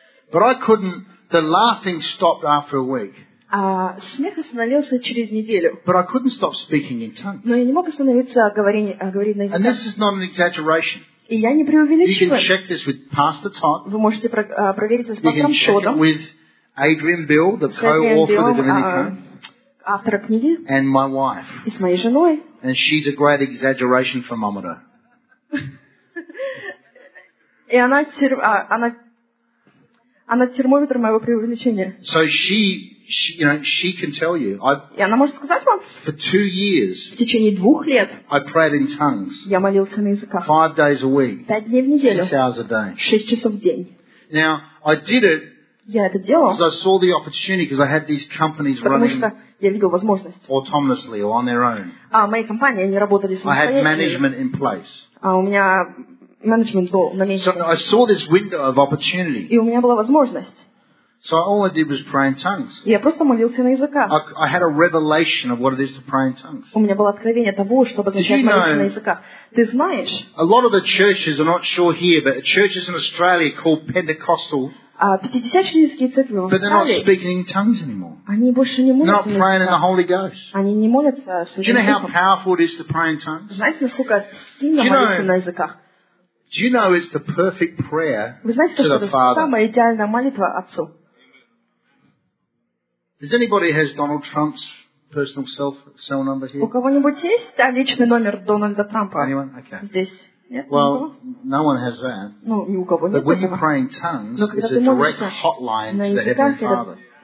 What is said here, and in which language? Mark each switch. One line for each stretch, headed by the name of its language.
English: But I couldn't. The laughing stopped after a week.
Russian: Смех остановился через неделю.
English: But I couldn't stop speaking in tongues.
Russian: Но я не мог остановиться говорить на языках.
English: And this is not an exaggeration.
Russian: И я не преувеличиваю.
English: You can check this with Pastor Todd.
Russian: Вы можете проверить это с пастором Тодом.
English: You can check it with Adrian Bill, the co-author of the Dominican.
Russian: Автор книги.
English: And my wife.
Russian: И с моей женой.
English: And she's a great exaggeration thermometer.
Russian: И она термометр моего преувеличения.
English: So she, you know, she can tell you.
Russian: И она может сказать вам.
English: For 2 years.
Russian: В течение 2 лет.
English: I prayed in tongues.
Russian: Я молился на языках.
English: 5 days a week.
Russian: 5 дней в неделю.
English: 6 hours a day.
Russian: 6 часов в день.
English: Now I did it
Russian: Я это делал.
English: Because I saw the opportunity, because I had these companies running.
Russian: Я видел возможность.
English: Autonomously or on their own.
Russian: Мои компании, они работали самостоятельно.
English: I had management in place.
Russian: У меня менеджмент был на месте.
English: So I saw this window of opportunity.
Russian: И у меня была возможность.
English: So all I did was pray in tongues.
Russian: Я просто молился на языках.
English: I had a revelation of what it is to pray in tongues.
Russian: У меня было откровение того, что означает молиться на языках. Ты знаешь?
English: A lot of the churches are not sure here, but churches in Australia called Pentecostal.
Russian: Пятидесятнические церкви в Австралии, они больше не молятся на языках. Они не молятся Святым Духом. Знаете, насколько сильно молиться на языках?
English: Do you know it's the perfect prayer
Russian: Вы знаете,
English: to the
Russian: что это самая идеальная молитва Отцу?
English: Does anybody has Donald Trump's personal cell number here?
Russian: У кого-нибудь есть личный номер Дональда Трампа?
English: Anyone? Okay.
Russian: Здесь. Нет,
English: well,
Russian: никого.
English: No one has that.
Russian: Ну, ни у кого нет.
English: But when you pray in tongues, it's a direct hotline to the Heavenly Father.